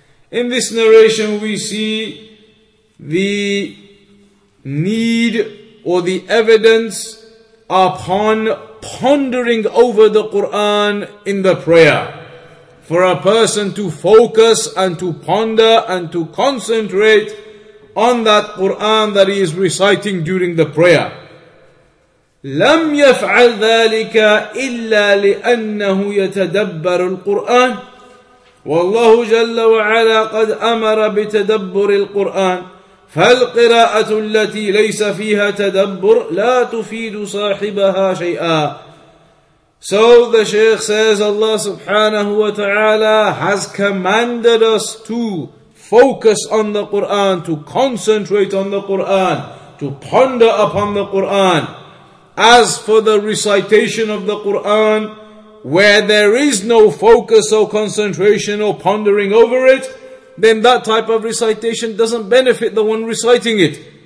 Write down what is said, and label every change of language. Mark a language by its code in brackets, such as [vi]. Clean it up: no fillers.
[en] In this narration we see the need or the evidence upon pondering over the Qur'an in the prayer. For a person to focus and to ponder and to concentrate on that Qur'an that he is reciting during the prayer. [ar] لَمْ يَفْعَلْ ذَٰلِكَ إِلَّا لِأَنَّهُ يَتَدَبَّرُ الْقُرْآنِ والله جل وعلا قد أمر بتدبر القرآن فالقراءة التي ليس فيها تدبر لا تفيد صاحبها شيئا. [en] So the Shaykh says Allah subhanahu wa ta'ala has commanded us to focus on the Quran, to concentrate on the Quran, to ponder upon the Quran. As for the recitation of the Quran, where there is no focus or concentration or pondering over it, then that type of recitation doesn't benefit the one reciting it.